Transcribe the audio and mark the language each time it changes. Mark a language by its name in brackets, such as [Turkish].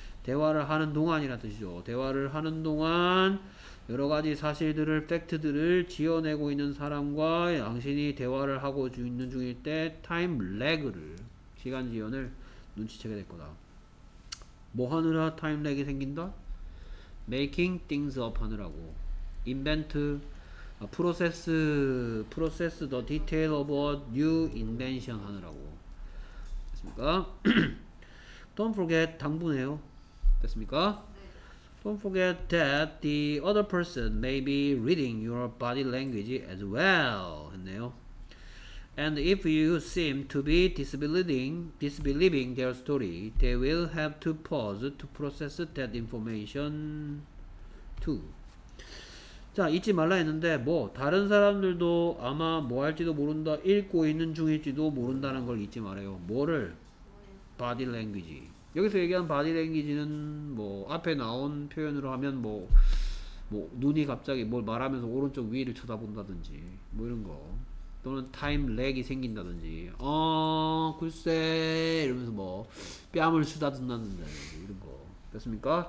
[Korean] 대화를 하는 동안이라는 뜻이죠. 대화를 하는 동안 여러 가지 사실들을 팩트들을 지어내고 있는 사람과 당신이 대화를 하고 있는 중일 때 타임 래그를 시간 지연을 눈치채게 될 거다. 뭐 하느라 타임 래그가 생긴다? [English] Making things up [Korean] 하느라고. [English] Invent process the detail of a new invention [Korean] 하느라고. 됐습니까? [English] Don't forget [Korean] 당부네요. 됐습니까? [English] Don't forget that the other person may be reading your body language as well. [Korean] 했네요. [English] And if you seem to be disbelieving their story, they will have to pause to process that information too. [Korean] 자, 잊지 말라 했는데 뭐 다른 사람들도 아마 뭐 할지도 모른다, 읽고 있는 중일지도 모른다는 걸 잊지 말아요. 뭐를? Body language. 여기서 얘기한 바디 랭귀지는 뭐 앞에 나온 표현으로 하면 뭐 눈이 갑자기 뭘 말하면서 오른쪽 위를 쳐다본다든지 뭐 이런 거, 또는 타임 렉이 생긴다든지 글쎄 이러면서 뭐 뺨을 쓰다듬는다 이런 거. 됐습니까?